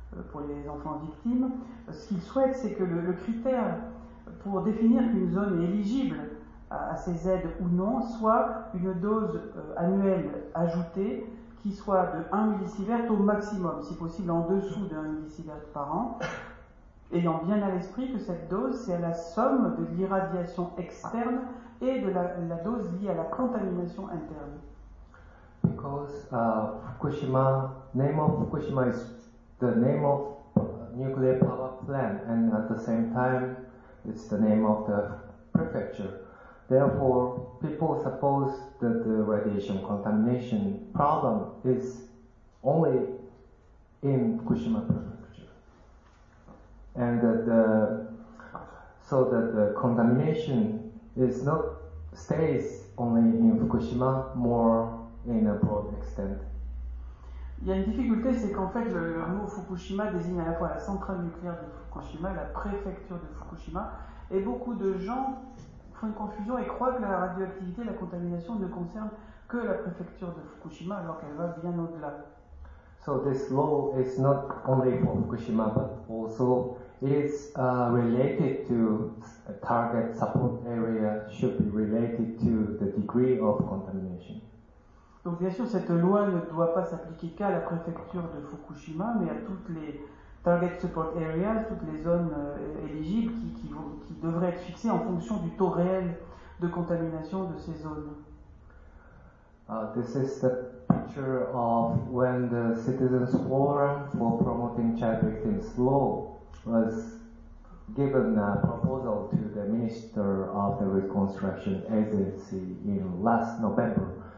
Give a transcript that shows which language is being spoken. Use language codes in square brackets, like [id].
[fr] pour les enfants victimes, ce qu'ils souhaitent, c'est que le critère pour définir qu'une zone est éligible à ces aides ou non, soit une dose annuelle ajoutée qui soit de 1 millisievert au maximum, si possible en dessous de 1 millisievert par an, ayant bien à l'esprit que cette dose, c'est la somme de l'irradiation externe et de la dose liée à la contamination interne. [en] Because Fukushima, name of Fukushima is the name of nuclear power plant, and at the same time, it's the name of the prefecture. Therefore, people suppose that the radiation contamination problem is only in Fukushima Prefecture. And that the, so that the contamination is not, stays only in Fukushima, more in a broad extent. [fr] Il y a une difficulté, c'est qu'en fait le mot Fukushima désigne à la fois la centrale nucléaire de Fukushima, la préfecture de Fukushima, et beaucoup de gens font une confusion et croient que la radioactivité, la contamination ne concerne que la préfecture de Fukushima alors qu'elle va bien au-delà. [en] So this law is not only for Fukushima but also it's related to a target support area should be related to the degree of contamination. [fr] Donc bien sûr, cette loi ne doit pas s'appliquer qu'à la préfecture de Fukushima, mais à toutes les [en] target support areas, [fr] toutes les zones éligibles qui devraient être fixées en fonction du taux réel de contamination de ces zones. [en] This is the picture of when the Citizens Forum for Promoting Child Victims Law was given a proposal to the Minister of the Reconstruction Agency in last November.